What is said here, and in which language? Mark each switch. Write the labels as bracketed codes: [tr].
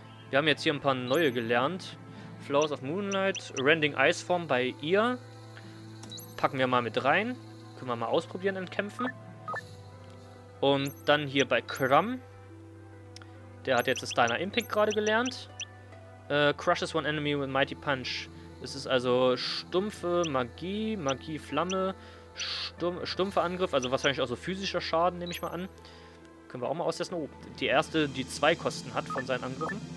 [de] Wir haben jetzt hier ein paar neue gelernt. Flowers of Moonlight. Rending Ice Form bei ihr. Packen wir mal mit rein. Können wir mal ausprobieren und kämpfen. Und dann hier bei Krum. Der hat jetzt das Diner Impact gerade gelernt. [en] Crushes one enemy with mighty punch. [de] Es ist also stumpfe Magie, Magie-Flamme, stumpfe Angriff, also wahrscheinlich auch so physischer Schaden, nehme ich mal an. Können wir auch mal austesten. Oh, die erste, die zwei Kosten hat von seinen Angriffen.